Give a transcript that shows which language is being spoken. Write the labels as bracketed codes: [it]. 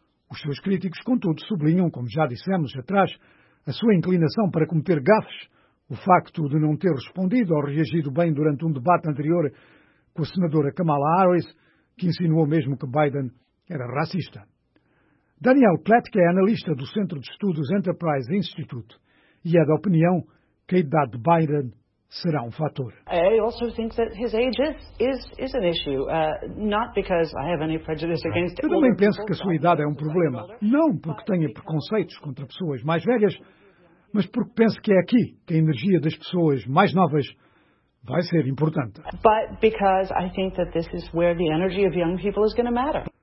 [pt] Os seus críticos, contudo, sublinham, como já dissemos atrás, a sua inclinação para cometer gafes, o facto de não ter respondido ou reagido bem durante um debate anterior com a senadora Kamala Harris, que insinuou mesmo que Biden era racista. Daniel Platt, que é analista do Centro de Estudos Enterprise Institute, e é da opinião que a idade de Biden será um fator. [en] I also think that his age is an issue, not because I have any prejudice against. [pt] Eu também penso que a sua idade é um problema, não porque tenha preconceitos contra pessoas mais velhas, mas porque penso que é aqui que a energia das pessoas mais novas vai ser importante. [en] But because I think that this is where the energy of young people is going to matter.